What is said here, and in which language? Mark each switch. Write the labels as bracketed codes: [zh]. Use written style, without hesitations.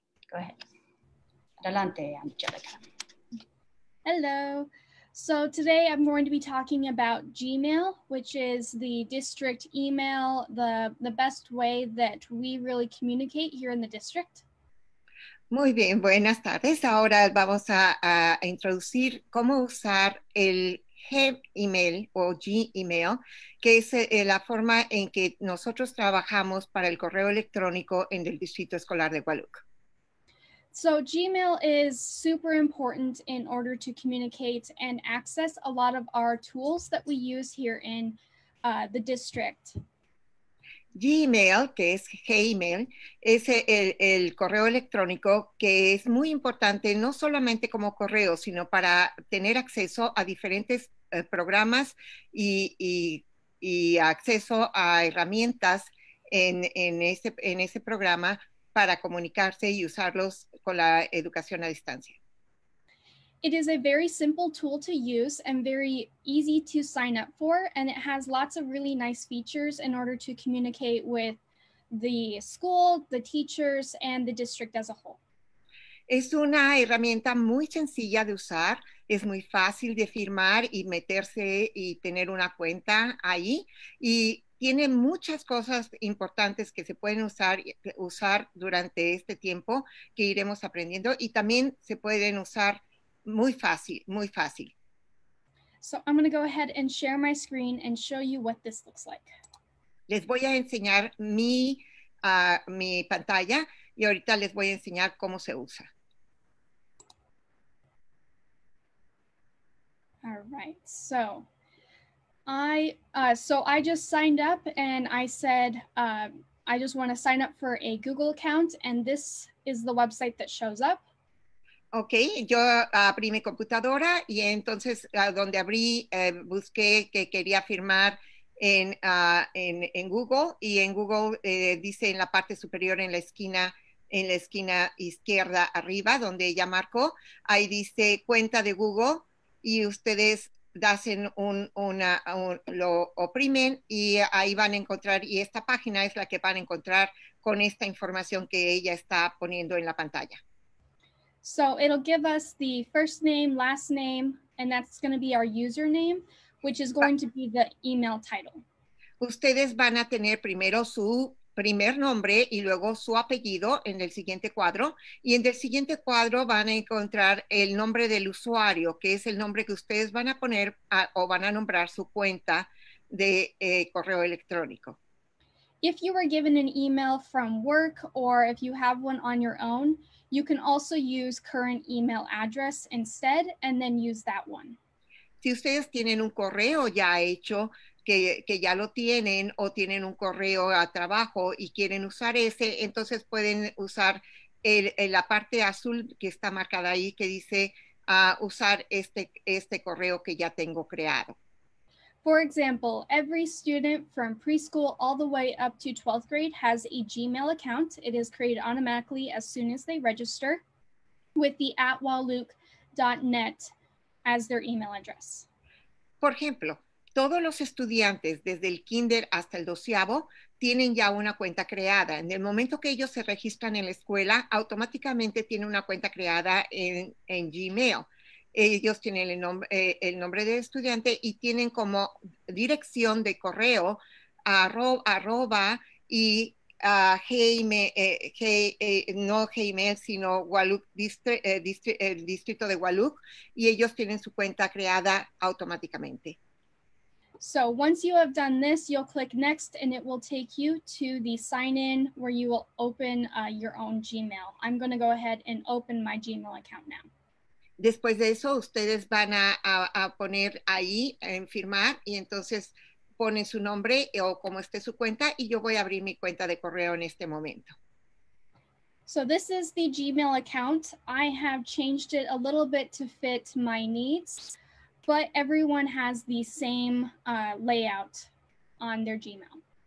[en] Go ahead. [es] Adelante, [en] Angelica. Hello. So today I'm going to be talking about Gmail, which is the district email, the best way that we really communicate here in the district. [es] Muy bien, buenas tardes. Ahora vamos a introducir cómo usar el Gmail o Gmail, que es la forma en que nosotros trabajamos para el correo electrónico en el Distrito Escolar de Wahluke. [en] So Gmail is super important in order to communicate and access a lot of our tools that we use here in the district. [es] Gmail, que es Gmail, es el correo electrónico que es muy importante no solamente como correo, sino para tener acceso a diferentes programas y acceso a herramientas en ese programa para comunicarse y usarlos con la educación a distancia. [en] It is a very simple tool to use and very easy to sign up for, and it has lots of really nice features in order to communicate with the school, the teachers, and the district as a whole. [es] Es una herramienta muy sencilla de usar, es muy fácil de firmar y meterse y tener una cuenta ahí, y tiene muchas cosas importantes que se pueden usar durante este tiempo que iremos aprendiendo, y también se pueden usar muy fácil, muy fácil. [en] So I'm going to go ahead and share my screen and show you what this looks like. [es] Les voy a enseñar mi pantalla, y ahorita les voy a enseñar cómo se usa. [en] All right, so I just signed up and I said, I just want to sign up for a Google account, and this is the website that shows up. [es] Okay, yo abrí mi computadora y entonces donde abrí busqué que quería firmar en Google, y en Google dice en la parte superior en la esquina izquierda arriba donde ella marcó, ahí dice cuenta de Google, y ustedes hacen lo oprimen y ahí van a encontrar, y esta página es la que van a encontrar con esta información que ella está poniendo en la pantalla. [en] So it'll give us the first name, last name, and that's going to be our username, which is going to be the email title. [es] Ustedes van a tener primero su primer nombre y luego su apellido en el siguiente cuadro. Y en el siguiente cuadro van a encontrar el nombre del usuario, que es el nombre que ustedes van a poner o van a nombrar su cuenta de correo electrónico. [en] If you were given an email from work or if you have one on your own, you can also use current email address instead and then use that one. [es] Si ustedes tienen un correo ya hecho, que ya lo tienen, o tienen un correo a trabajo y quieren usar ese, entonces pueden usar la parte azul que está marcada ahí que dice usar este correo que ya tengo creado. [en] For example, every student from preschool all the way up to 12th grade has a Gmail account. It is created automatically as soon as they register with the @wahluke.net as their email address. [es] Por ejemplo, todos los estudiantes desde el kinder hasta el doceavo tienen ya una cuenta creada. En el momento que ellos se registran en la escuela, automáticamente tienen una cuenta creada en Gmail. Ellos tienen el nombre del estudiante y tienen como dirección de correo arroba y sino Wahluke, el distrito de Wahluke, y ellos tienen su cuenta creada automáticamente. [en] So once you have done this, you'll click next and it will take you to the sign in where you will open your own Gmail. I'm going to go ahead and open my Gmail account now. [es] Después de eso, ustedes van a poner ahí en firmar y entonces ponen su nombre o como esté su cuenta, y yo voy a abrir mi cuenta de correo en este momento. [en] So this is the Gmail account. I have changed it a little bit to fit my needs, but everyone has the same layout on their Gmail.